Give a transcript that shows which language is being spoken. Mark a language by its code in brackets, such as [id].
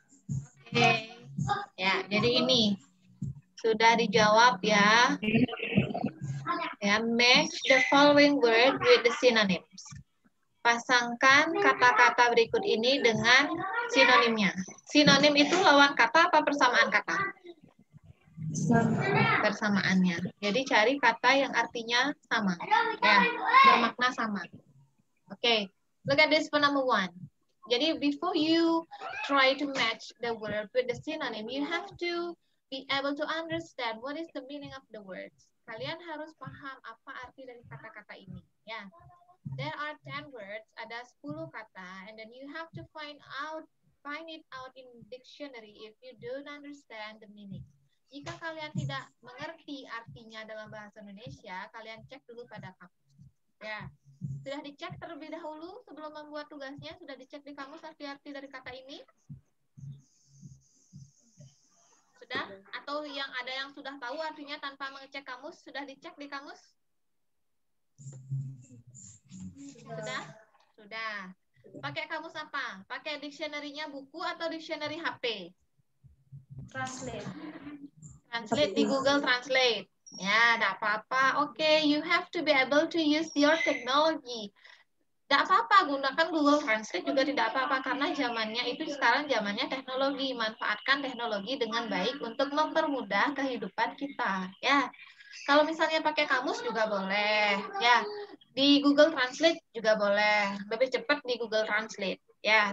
[id] Oke, ya, jadi ini sudah dijawab ya. [en] Ya, match the following word with the synonyms. [id] Pasangkan kata-kata berikut ini dengan sinonimnya. Sinonim itu lawan kata apa persamaan kata? Persamaannya. Jadi cari kata yang artinya sama, ya, bermakna sama. [en] Oke, look at this for number one. [id] Jadi [en] before you try to match the word with the synonym, you have to be able to understand what is the meaning of the words. [id] Kalian harus paham apa arti dari kata-kata ini. [en] Ya, there are 10 words, [id] ada 10 kata, [en] and then you have to find it out in dictionary if you don't understand the meaning. [id] Jika kalian tidak mengerti artinya dalam bahasa Indonesia, kalian cek dulu pada kamus. Ya. Sudah dicek terlebih dahulu sebelum membuat tugasnya? Sudah dicek di kamus arti-arti dari kata ini? Sudah? Atau yang ada yang sudah tahu artinya tanpa mengecek kamus? Sudah dicek di kamus? Sudah? Sudah. Pakai kamus apa? Pakai dictionary-nya buku atau dictionary HP? Translate. Di Google Translate. Ya, enggak apa-apa. [en] Okay, you have to be able to use your technology. [id] Enggak apa-apa, gunakan Google Translate juga tidak apa-apa karena zamannya itu sekarang zamannya teknologi. Manfaatkan teknologi dengan baik untuk mempermudah kehidupan kita, ya. Kalau misalnya pakai kamus juga boleh, ya. Di Google Translate juga boleh. Lebih cepat di Google Translate, ya.